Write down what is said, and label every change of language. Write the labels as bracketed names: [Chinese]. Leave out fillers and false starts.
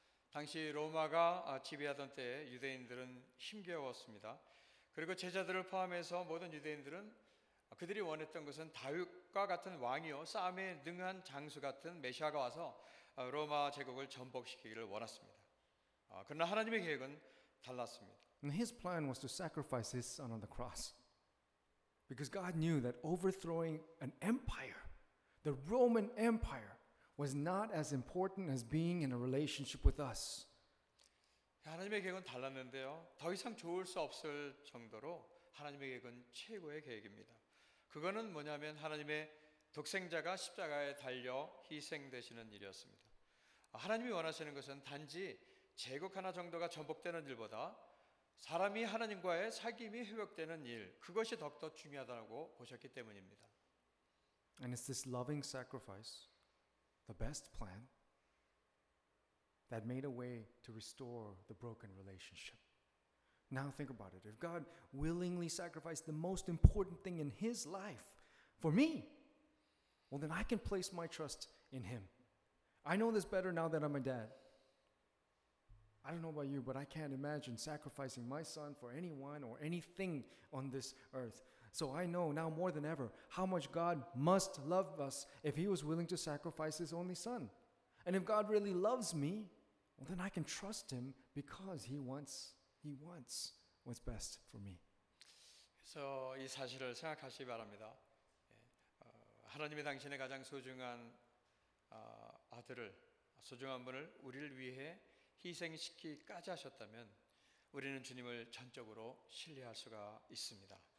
[Korean] 당시 로마가 지배하던 때 유대인들은 힘겨웠습니다. 그리고 제자들을 포함해서 모든 유대인들은 그들이 원했던 것은 다윗과 같은 왕이요 싸움에 능한 장수 같은 메시아가 와서 로마 제국을 전복시키기를 원했습니다. 그러나 하나님의 계획은 달랐습니다. [English] His plan was to sacrifice his son on the cross because God knew that overthrowing an empire, the Roman Empire, was not as important as being in a relationship with us. [Korean] 하나님의 계획은 달랐는데요. 더 이상 좋을 수 없을 정도로 하나님의 계획은 최고의 계획입니다. 그거는 뭐냐면 하나님의 독생자가 십자가에 달려 희생되시는 일이었습니다. 하나님이 원하시는 것은 단지 제국 하나 정도가 전복되는 일보다 사람이 하나님과의 사귐이 회복되는 일, 그것이 더욱더 중요하다고 보셨기 때문입니다. [English] And it's this loving sacrifice, the best plan, that made a way to restore the broken relationship. Now think about it. If God willingly sacrificed the most important thing in his life for me, well then I can place my trust in him. I know this better now that I'm a dad. I don't know about you, but I can't imagine sacrificing my son for anyone or anything on this earth. So I know now more than ever how much God must love us if he was willing to sacrifice his only son. And if God really loves me, well then I can trust him because he wants what's best for me. [Korean] 그래서 이 사실을 생각하시기 바랍니다. 하나님이 당신의 가장 소중한 아들을, 소중한 분을 우리를 위해 희생시키기까지 하셨다면 우리는 주님을 전적으로 신뢰할 수가 있습니다.